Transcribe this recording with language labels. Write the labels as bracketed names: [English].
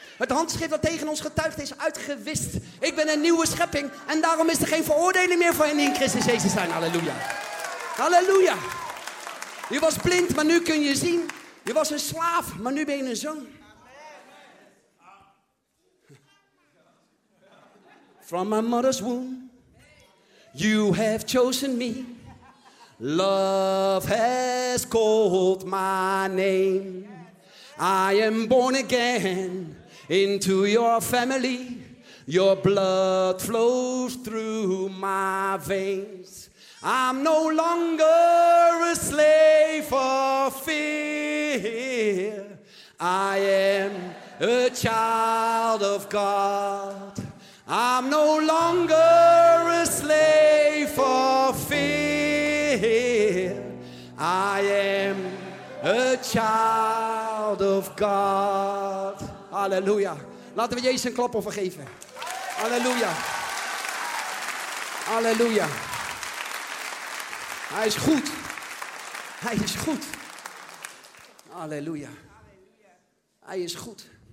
[Dutch] Het handschrift dat tegen ons getuigd is uitgewist. Ik ben een nieuwe schepping. En daarom is er geen veroordeling meer voor hen die in Christus Jezus zijn. Halleluja. Halleluja. Je was blind, maar nu kun je zien. Je was een slaaf, maar nu ben je een zoon. [English] From my mother's womb, you have chosen me. Love has called my name. I am born again into your family. Your blood flows through my veins. I'm no longer a slave of fear. I am a child of God. I'm no longer a slave of fear. I am a child of God. [Dutch] Halleluja. Laten we Jezus een klap offer geven. Halleluja. Halleluja. Hij is goed. Hij is goed. Halleluja. Hij is goed.